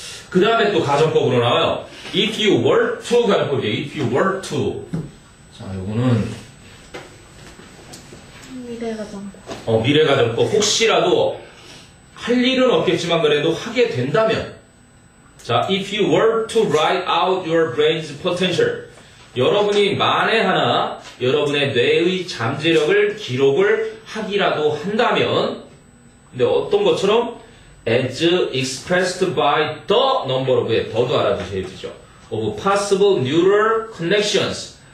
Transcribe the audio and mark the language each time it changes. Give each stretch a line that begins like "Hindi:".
Korean: 그 다음에 또 가정법으로 나와요.
English: if you were to
Korean: 가정법이에요.
English: if you were to.
Korean: 자, 요거는 미래가정법. 미래가정법. 혹시라도 할 일은 없겠지만 그래도 하게 된다면. 자,
English: if you were to write out your brain's potential.
Korean: 여러분이 만에 하나 여러분의 뇌의 잠재력을 기록을 하기라도 한다면. 근데 어떤 것처럼
English: as expressed by the number of
Korean: 의 더도 알아두셔야 되죠.
English: of possible neural connections.